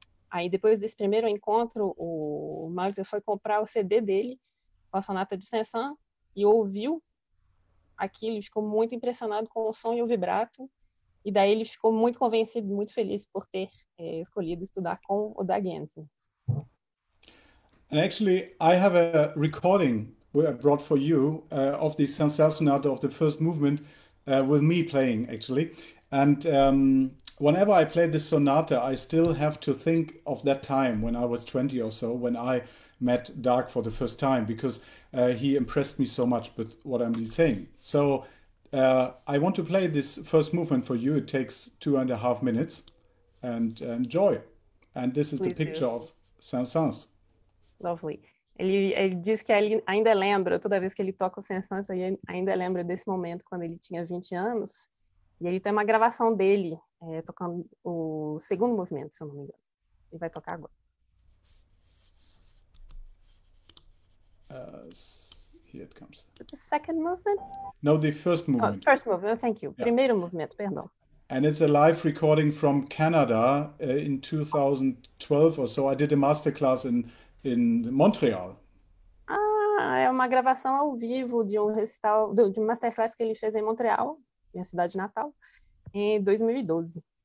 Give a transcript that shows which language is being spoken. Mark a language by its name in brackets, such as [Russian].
[Portuguese] Aí depois desse primeiro encontro, o Malte foi comprar o CD dele, com a sonata de Saint-Saëns, e ouviu aquilo, ficou muito impressionado com o som e o vibrato. E daí ele ficou muito convencido, muito feliz por ter escolhido estudar com o Dag Jensen. [English] And actually, I have a recording I brought for you of the Saint-Saëns sonata of the first movement with me playing, actually. And whenever I play this sonata, I still have to think of that time when I was 20 or so, when I met Dag for the first time, because he impressed me so much with what I'm saying. So I want to play this first movement for you. It takes 2.5 minutes, and enjoy. And this is picture of Saint-Saëns. Lovely. [Portuguese] Ele diz que ele ainda lembra, toda vez que ele toca o Saint-Saëns, ele ainda lembra desse momento quando ele tinha 20 anos. E ele tem uma gravação dele tocando o segundo movimento, se eu não me engano. Ele vai tocar agora. [English] Here it comes. The second movement? No, the first movement. Oh, first movement, thank you. Yeah. [Portuguese] Primeiro movimento, perdão. [English] And it's a live recording from Canada in 2012 or so. I did a masterclass in Montreal. [Portuguese] Ah, é uma gravação ao vivo de um recital, de um masterclass que ele fez em Montreal, minha cidade natal, em 2012.